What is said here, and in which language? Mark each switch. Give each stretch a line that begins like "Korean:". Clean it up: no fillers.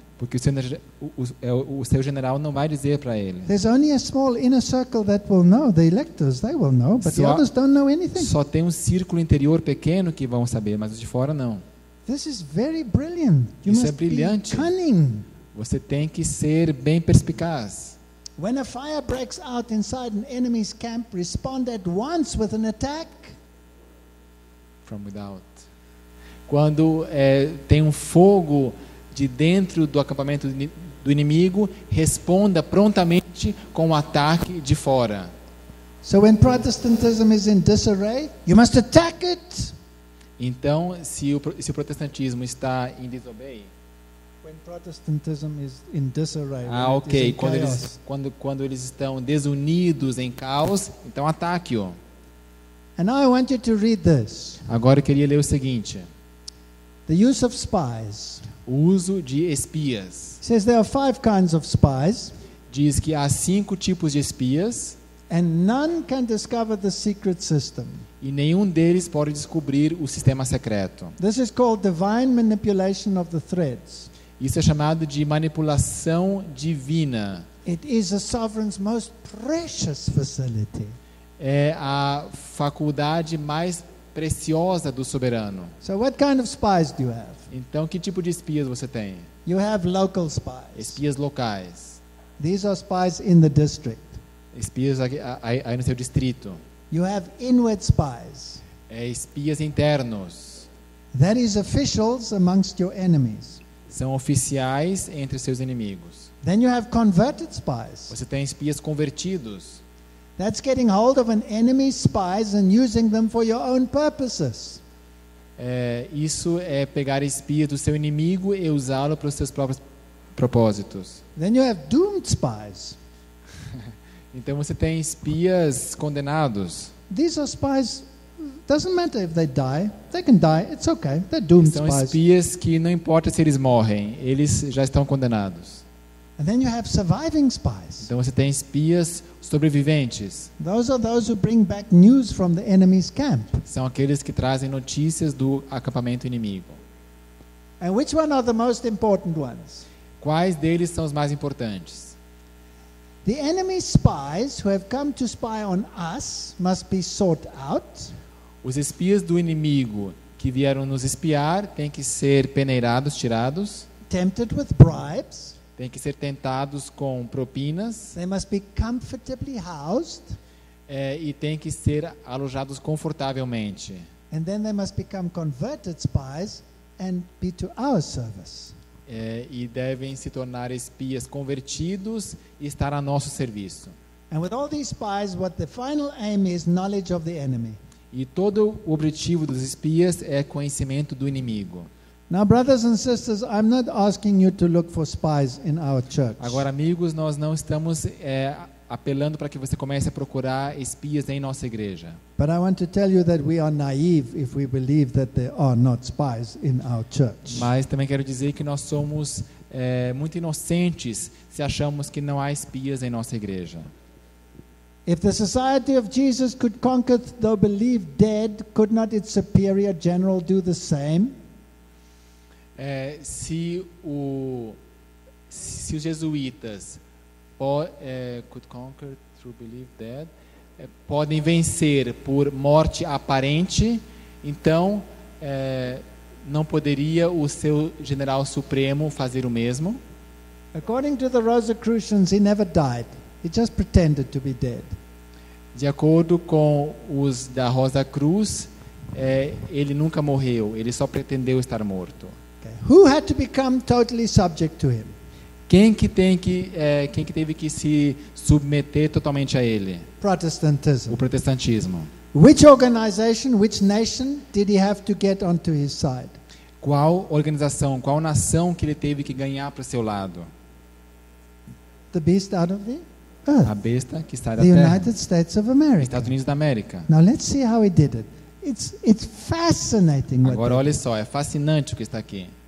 Portuguese: Porque o seu general não vai dizer para ele.
English: There's only a small inner circle that will know, the electors, they will know, but the others don't know anything.
Portuguese: Só tem um círculo interior pequeno que vão saber, mas os de fora não.
English: This is very brilliant. You must
Portuguese: brilhante.
English: Be cunning.
Portuguese: Você tem que ser bem perspicaz.
English: When a fire breaks out inside an enemy's camp, respond at once with an attack from without.
Portuguese: Quando tem um fogo de dentro do acampamento do inimigo, responda prontamente com um ataque de fora.
English: So when Protestantism is in disarray, you must attack it.
Portuguese: Então, se o protestantismo está em desobey,
English: when Protestantism is in disarray, ok. Is in
Portuguese: quando
English: chaos.
Portuguese: Quando eles estão desunidos em caos, então ataque-o.
English: And now I want you to read this.
Portuguese: Agora eu queria ler o seguinte.
English: The use of spies.
Portuguese: O uso de espias.
English: Says there are 5 kinds of spies.
Portuguese: Diz que há 5 tipos de espias.
English: And none can discover the secret system.
Portuguese: E nenhum deles pode descobrir o sistema secreto.
English: This is called divine manipulation of the threads.
Portuguese: Isso é chamado de manipulação divina.
English: It is a sovereign's most precious facility.
Portuguese: É a faculdade mais preciosa do soberano.
English: So what kind of spies do you have?
Portuguese: Então, que tipo de espias você tem?
English: You have local spies.
Portuguese: Espias locais.
English: These are spies in the district.
Portuguese: Espias aí no seu distrito.
English: You have inward spies.
Portuguese: Espias internos.
English: That is officials amongst your enemies.
Portuguese: São oficiais entre seus inimigos.
English: Then you have converted spies.
Portuguese: Você tem espias convertidos.
English: That's getting hold of an enemy's spies and using them for your own purposes.
Portuguese: Isso é pegar espias do seu inimigo e usá-lo para os seus próprios propósitos.
English: Then you have doomed spies.
Portuguese: Então você tem espias condenados.
English: These are spies. Doesn't matter if they die. They can die. It's okay. They're doomed spies.
Portuguese: São espias que não importa se eles morrem. Eles já estão condenados.
English: And then you have surviving spies.
Portuguese: Então você tem espias sobreviventes.
English: Those are those who bring back news from the enemy's camp.
Portuguese: São aqueles que trazem notícias do acampamento inimigo.
English: And which one are the most important ones?
Portuguese: Quais deles são os mais importantes?
English: The enemy spies who have come to spy on us must be sought out.
Portuguese: Os espias do inimigo que vieram nos espiar têm que ser peneirados, tirados.
English: Tempted with bribes.
Portuguese: Tem que ser tentados com propinas.
English: They must be comfortably housed.
Portuguese: E tem que ser alojados confortavelmente.
English: And then they must become converted spies and be to our service.
Portuguese: E devem se tornar espias convertidos e estar a nosso serviço.
English: And with all these spies, what the final aim is knowledge of the enemy.
Portuguese: E todo o objetivo dos espias é conhecimento do inimigo.
English: Now, brothers and sisters, I'm not asking you to look for spies in our church.
Portuguese: Agora, amigos, nós não estamos apelando para que você comece a procurar espias em nossa igreja.
English: But I want to tell you that we are naive if we believe that there are not spies in our church.
Portuguese: Mas também quero dizer que nós somos muito inocentes se achamos que não há espias em nossa igreja.
English: If the society of Jesus could conquer though believed dead, could not its superior general do the same?
Portuguese: Se o se os jesuítas
English: could conquer through belief dead,
Portuguese: podem vencer por morte aparente, então não poderia o seu general supremo fazer o mesmo?
English: According to the Rosicrucians, he never died. He just pretended to be dead.
Portuguese: De acordo com os da Rosa Cruz, ele nunca morreu. Ele só pretendeu estar morto.
English: Okay. Who had to become totally subject to him?
Portuguese: Quem que teve que se submeter totalmente a ele?
English: Protestantism.
Portuguese: O protestantismo.
English: Which organization, which nation did he have to get onto his side?
Portuguese: Qual organização, qual nação que ele teve que ganhar para o seu lado?
English: The beast out of the
Portuguese: A besta que sai da
English: the
Portuguese: terra.
English: United States of America.
Portuguese: Estados Unidos da América.
English: Now let's see how he did it. It's fascinating.
Portuguese: Agora olha só, é fascinante o que está aqui.